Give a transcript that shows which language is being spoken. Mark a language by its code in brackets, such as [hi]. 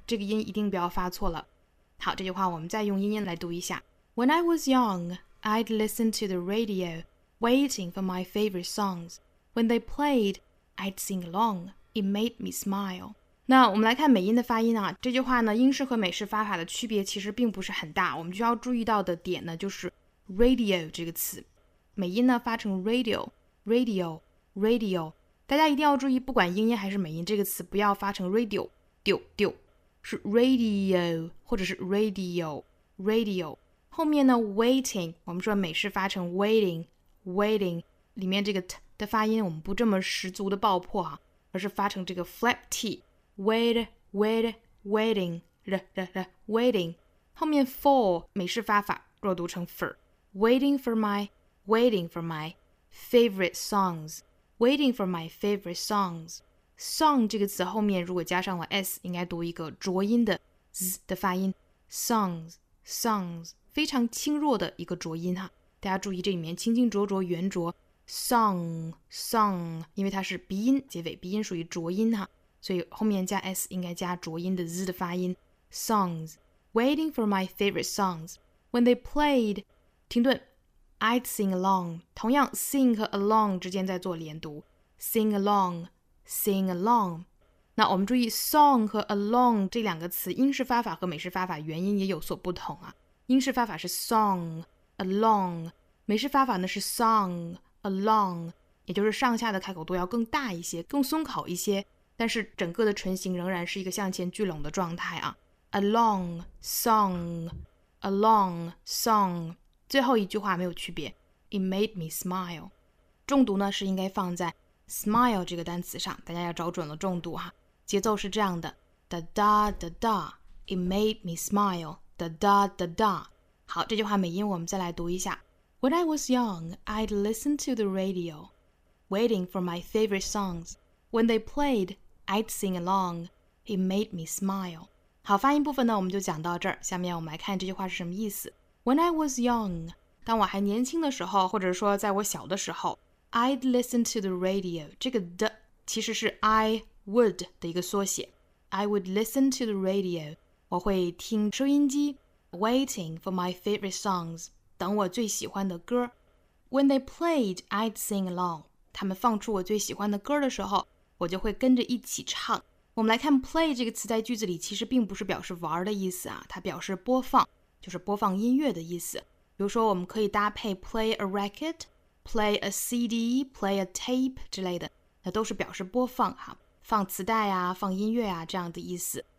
[zh] 这个音一定不要发错了。好，这句话我们再用音来读一下。 [en] When I was young, I'd listen to the radio, waiting for my favorite songs. When they played, I'd sing along. It made me smile. [zh] 那我们来看美音的发音啊。这句话呢，英式和美式发法的区别其实并不是很大。我们需要注意到的点呢，就是 radio 这个词。美音呢发成 radio, radio, radio, 大家一定要注意，不管英音还是美音，这个词不要发成 radio, 丢丢，是 radio 或者是 radio, radio。后面呢 waiting, 我们说美式发成 waiting, waiting, 里面这个 t 的发音我们不这么十足的爆破啊，而是发成这个 flap t, wait, wait, waiting, waiting。后面 for 美式发法若读成 for, [en] waiting for my favorite songs, [zh] waiting for my favorite songs. Song 这个词后面如果加上了 s, 应该读一个浊音的 z 的发音。 Songs, songs, 非常轻弱的一个浊音哈。大家注意这里面清清浊浊圆浊。Song, song, 因为它是鼻音结尾，鼻音属于浊音哈，所以后面加 s 应该加浊音的 z 的发音。 [en] Songs, waiting for my favorite songs. When they played, 停顿。 I'd sing along, [zh] 同样 sing 和 along 之间在做连读。 [en] Sing along, sing along。 [zh] 那我们注意 song 和 along 这两个词英式发法和美式发法元音也有所不同啊。英式发法是 song, along, 美式发法呢是 song, along, 也就是上下的开口度要更大一些，更松口一些，但是整个的唇形仍然是一个向前聚拢的状态啊。 [en] Along, song, along, song。 [zh] 最后一句话没有区别， [en] It made me smile。 [zh] 重读呢是应该放在 smile 这个单词上，大家要找准了重读哈。节奏是这样的， da da da da, It made me smile, da da da da。好，这句话美音我们再来读一下。 [en] When I was young, I'd listen to the radio, waiting for my favorite songs. When they played, I'd sing along, It made me smile。 [zh] 好，发音部分呢我们就讲到这儿，下面我们来看这句话是什么意思。 [en] When I was young, [zh] 当我还年轻的时候，或者说在我小的时候， [en] I'd listen to the radio. [zh] 这个 d 其实是 I would 的一个缩写。 [en] I would listen to the radio. [zh] 我会听收音机。 [en] Waiting for my favorite songs. [zh] 等我最喜欢的歌。 [en] When they played, I'd sing along. [zh] 他们放出我最喜欢的歌的时候，我就会跟着一起唱。我们来看 play 这个词在句子里其实并不是表示玩的意思啊，它表示播放。就是播放音乐的意思。比如说我们可以搭配 play a record, play a CD, play a tape 之类的，那都是表示播放哈，放磁带啊，放音乐啊，这样的意思。